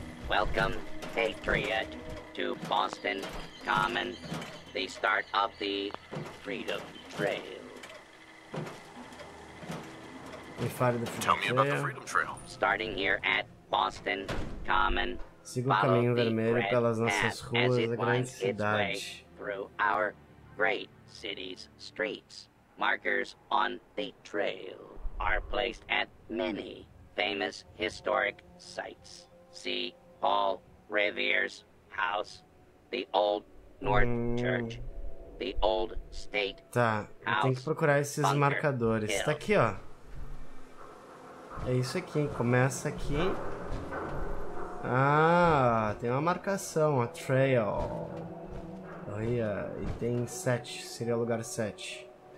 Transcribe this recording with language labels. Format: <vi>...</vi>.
<en>Welcome, Patriot, to Boston Common, the start of the Freedom Trail.</en> <pt>Me fale do Freedom Trail.</pt> <en>Tell me about the Freedom Trail. Starting here at Boston Common.</en> <pt>Siga o caminho vermelho pelas nossas ruas, a grande cidade.</pt> <en>Through our great city's streets, markers on the trail are placed at many famous historic sites. See Paul Revere's house, the old North Church, the old State</en> <pt>House. Tá, eu tenho que procurar esses marcadores. Tá aqui, ó. É isso aqui, começa aqui. Ah, tem uma marcação, a trail. Aí, e tem 7, seria o lugar 7.</pt>